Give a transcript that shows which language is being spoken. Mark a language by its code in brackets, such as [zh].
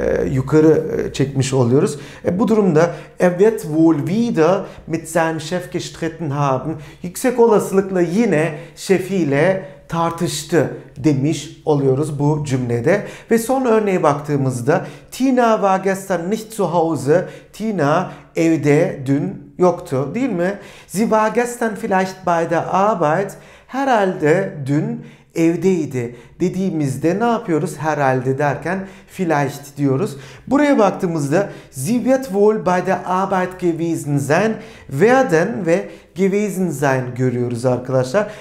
[tr] yukarı çekmiş oluyoruz. Bu durumda evet [de] wohl wieder mit seinem Chef gestritten haben, [tr] yüksek olasılıkla yine şefiyle tartıştı demiş oluyoruz bu cümlede. Ve son örneğe baktığımızda [de] Tina war gestern nicht zu Hause. [tr] Tina evde dün yoktu, değil mi? [de] Sie war gestern vielleicht bei der Arbeit. [tr] Herhalde dün evdeydi dediğimizde ne yapıyoruz? Herhalde derken vielleicht diyoruz. Buraya baktığımızda [de] sie wird wohl bei der Arbeit gewesen sein, [tr] werden ve gewesen sein görüyoruz arkadaşlar.